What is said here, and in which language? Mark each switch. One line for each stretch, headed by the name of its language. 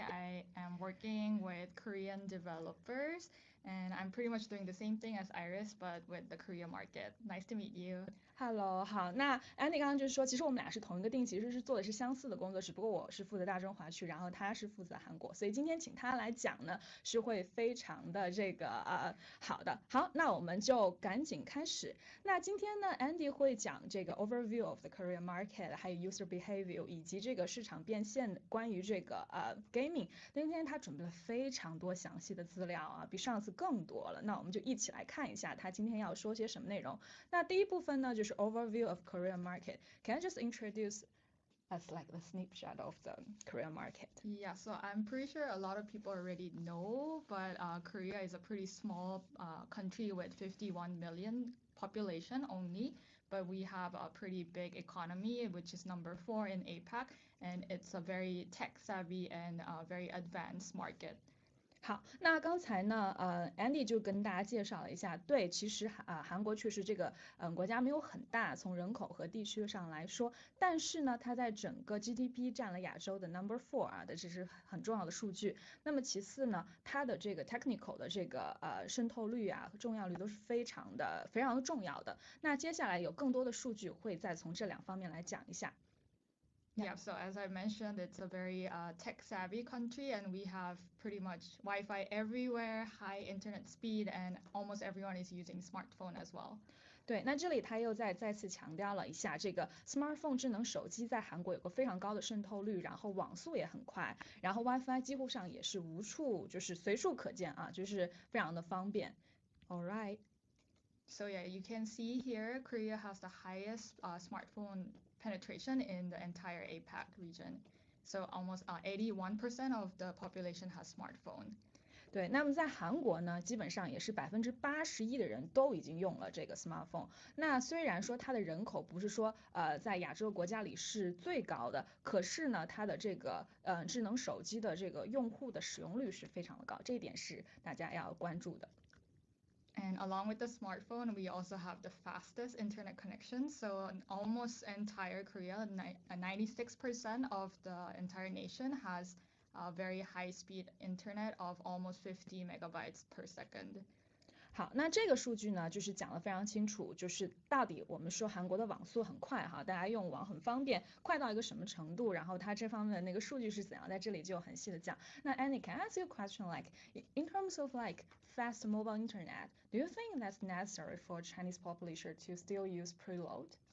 English: I am working with Korean developers, and I'm pretty much doing the same thing as Iris, but with the Korea market. Nice to meet you.
Chinese: Hello，好，那 Andy 刚刚就是说，其实我们俩是同一个定，其实是做的是相似的工作，只不过我是负责大中华区，然后他是负责韩国，所以今天请他来讲呢，是会非常的这个好的，好，那我们就赶紧开始。那今天呢，Andy 会讲这个
English: overview of the Korean market，
Chinese: 还有 user behavior，以及这个市场变现，关于这个gaming。今天他准备了非常多详细的资料啊，比上次更多了。那我们就一起来看一下他今天要说些什么内容。那第一部分呢，就是
English: overview of Korean market. Can I just introduce us like the snapshot of the Korean market? Yeah, so I'm pretty sure a lot of people already know, but Korea is a pretty small country with 51 million population only, but we have a pretty big economy, which is number four in APAC, and it's a very tech savvy and very advanced market.
Chinese: 好，那刚才呢，Andy 就跟大家介绍了一下，对，其实韩国确实这个国家没有很大，从人口和地区上来说，但是呢，它在整个 GDP 占了亚洲的
English: number four
Chinese: 啊，这是很重要的数据。那么其次呢，它的这个 technical 的这个渗透率啊，重要率都是非常的重要的。那接下来有更多的数据会再从这两方面来讲一下。
English: Yeah, so as I mentioned, it's a very tech savvy country, and we have pretty much Wi-Fi everywhere, high internet speed, and almost everyone is using smartphone as well.
Chinese: 对，那这里他又再次强调了一下，这个 smartphone 智能手机在韩国有个非常高的渗透率，然后网速也很快，然后 WiFi 几乎上也是无处，就是随处可见啊，就是非常的方便。
English: All right. So yeah, you can see here, Korea has the highest smartphone penetration in the entire APAC region. So almost 81% of the population has smartphone.
Chinese: 对，那么在韩国呢，基本上也是81%的人都已经用了这个 smartphone。那虽然说它的人口不是说在亚洲国家里是最高的，可是呢，它的这个智能手机的这个用户的使用率是非常的高，这一点是大家要关注的。
English: And along with the smartphone, we also have the fastest internet connection. So almost entire Korea, 96% of the entire nation has a very high speed internet of almost 50 megabytes per second.
Chinese: 好，那这个数据呢，就是讲得非常清楚，就是到底我们说韩国的网速很快哈，大家用网很方便，快到一个什么程度，然后它这方面的那个数据是怎样，在这里就很细的讲。
English: 那 Annie, can I ask you a question? Like, in terms of like fast mobile internet, do you think that's necessary for Chinese population to still use preload?